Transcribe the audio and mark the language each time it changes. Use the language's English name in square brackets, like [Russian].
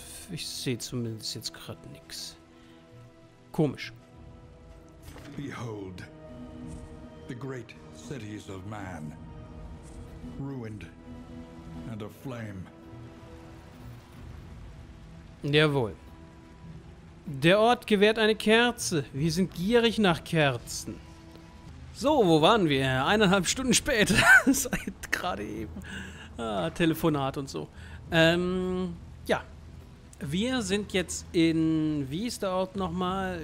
[German] Ich sehe zumindest jetzt gerade nichts. Komisch. [English] Behold. The great cities of man, ruined and aflame. [German] Jawohl. Der Ort gewährt eine Kerze. Wir sind gierig nach Kerzen. So, wo waren wir? 1,5 Stunden später. Seit gerade eben. Ah, Telefonat und so. Ja. Wir sind jetzt in... Wie ist der Ort nochmal?